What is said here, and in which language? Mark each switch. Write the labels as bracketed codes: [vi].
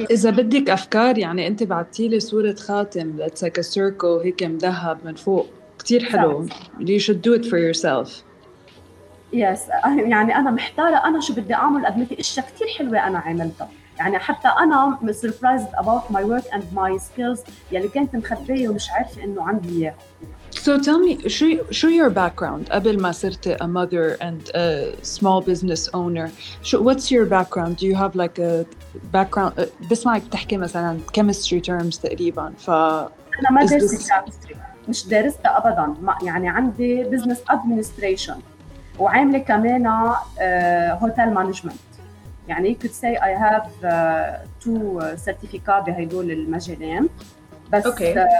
[ar] إذا بدك أفكار يعني أنت بعتيلي صورة خاتم [en] that's like a circle [ar] هيك مذهب من فوق كتير حلو [en] you should do it for yourself [ar] yes يعني أنا محتارة أنا شو بدي أعمل قد ما في إشي كتير حلوة أنا عملتها يعني حتى أنا [en] surprised about my work and my skills [ar] يلي كانت مخبية ومش عارفة إنه عندي إياها [en] So tell me, شو your background? [ar] قبل ما صرت [en] a mother and a small business owner, what's your background? Do you have like a background? [ar] بس ما بتحكي مثلا chemistry terms تقريبا. أنا ما درست chemistry. مش درست أبدا. يعني عندي business administration. وعاملة كمان hotel management. [en] يعني you could say I have two certificates [ar] بهيدول المجالين. [en] بس okay.